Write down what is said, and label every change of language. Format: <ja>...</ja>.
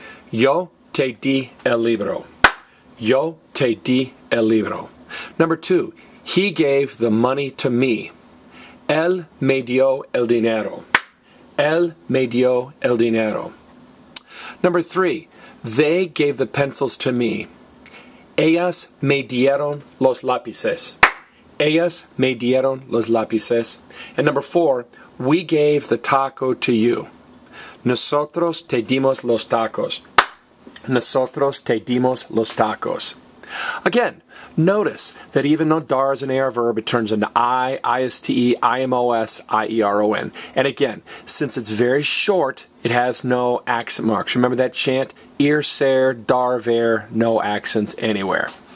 <es>Yo te di el libro. Yo te di el libro.</es> <en>Number two, he gave the money to me.</en> <es>Él me dio el dinero. Él me dio el dinero.</es> <en>Number three, they gave the pencils to me.</en> <es>Ellas me dieron los lápices. Ellas me dieron los lápices.</es> <en>And number four, we gave the taco to you.</en> <es>Nosotros te dimos los tacos. Nosotros te dimos los tacos.</es> <en>Again, notice that even though DAR is an AR verb, it turns into I, I-S-T-E, I-M-O-S, I-E-R-O-N. And again, since it's very short, it has no accent marks. Remember that chant? Ear, ser, DAR, ver, no accents anywhere.</en>